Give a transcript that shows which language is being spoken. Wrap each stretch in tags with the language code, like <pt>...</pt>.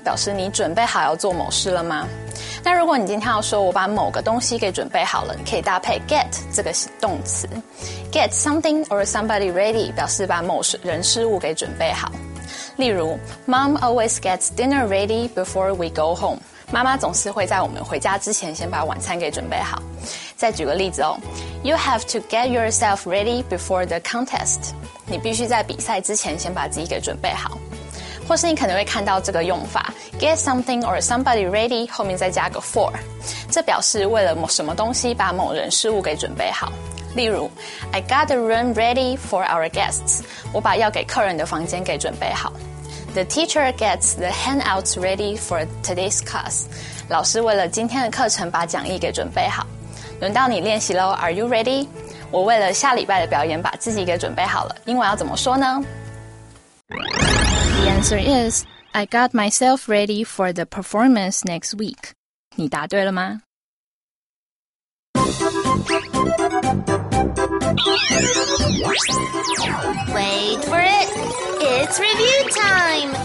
<zh>表示你准备好要做某事了吗？那如果你今天要说我把某个东西给准备好了，你可以搭配 get 这个动词。</zh> <en>get something or somebody ready</en> <zh>表示把某人事物给准备好。例如</zh> <en>,Mom always gets dinner ready before we go home.</en> <zh>妈妈总是会在我们回家之前先把晚餐给准备好。再举个例子哦</zh> <en>,You have to get yourself ready before the contest.</en> <zh>你必须在比赛之前先把自己给准备好。或是你可能会看到这个用法</zh> <en>get something or somebody ready</en> <zh>后面再加个 for， 这表示为了某什么东西把某人事物给准备好。例如</zh> <en>I got the room ready for our guests，</en> <zh>我把要给客人的房间给准备好。</zh> <en>The teacher gets the handouts ready for today's class，</en> <zh>老师为了今天的课程把讲义给准备好。轮到你练习咯，</zh> <en>Are you ready？</en> <zh>我为了下礼拜的表演把自己给准备好了，英文要怎么说呢？</zh> <en>The answer is, I got myself ready for the performance next week.</en> <zh>你答对了吗？</zh> <en>Wait for it! It's review time!</en>